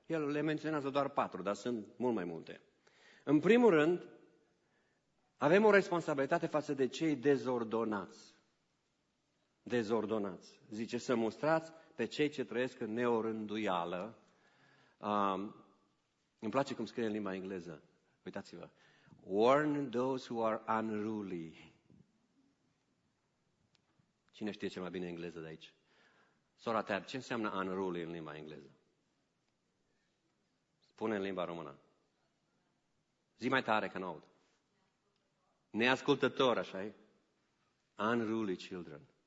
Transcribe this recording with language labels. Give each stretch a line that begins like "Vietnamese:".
Romanian: El le menționează doar patru, dar sunt mult mai multe. În primul rând, avem o responsabilitate față de cei dezordonați. Dezordonați. Zice să mustrați pe cei ce trăiesc în neorânduială. Îmi place cum scrie în limba engleză. Uitați-vă.
English: Warn those who are unruly.
Romanian: Cine știe cel mai bine engleză de aici? Sora Teab, ce înseamnă unruly în limba engleză? Spune în limba română. Zi mai tare că n-aud. Neascultător, așa e?
English: Unruly children.